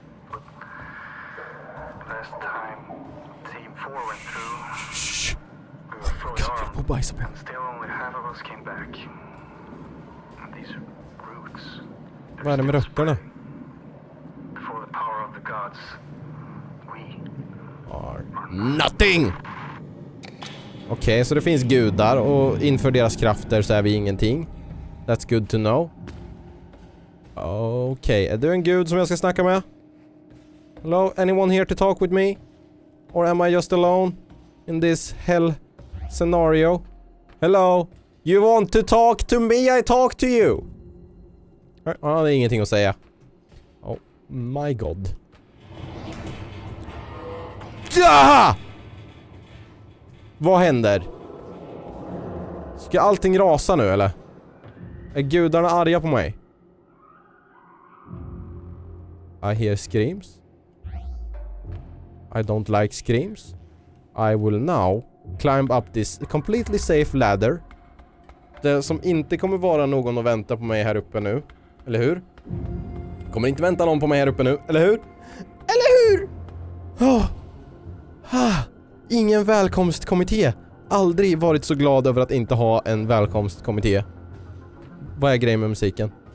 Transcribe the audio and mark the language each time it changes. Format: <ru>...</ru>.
<en>But last time Team 4 went through, we were fully armed. Still only half of us came back. And these routes.</en> <sv>Vad är det med rötterna?</sv> <en>Before the power of the gods, we are nothing!</en> <sv>Okej, så det finns gudar och inför deras krafter så är vi ingenting.</sv> <en>That's good to know.</en> <sv>Okej, är du en gud som jag ska snacka med?</sv> <en>Hello, anyone here to talk with me? Or am I just alone in this hell scenario? Hello? You want to talk to me? I talk to you!</en> <sv>Ja, det är ingenting att säga.</sv> <en>Oh my god.</en> <sv>Ah! Vad händer? Ska allting rasa nu eller? Är gudarna arga på mig?</sv> <en>I hear screams. I don't like screams. I will now climb up this completely safe ladder.</en> <sv>Det som inte kommer vara någon att vänta på mig här uppe nu. Eller hur? Kommer inte vänta någon på mig här uppe nu. Eller hur? Eller hur? Oh. Ah. Ingen välkomstkommitté. Aldrig varit så glad över att inte ha en välkomstkommitté. Vad är grejen med musiken?</sv>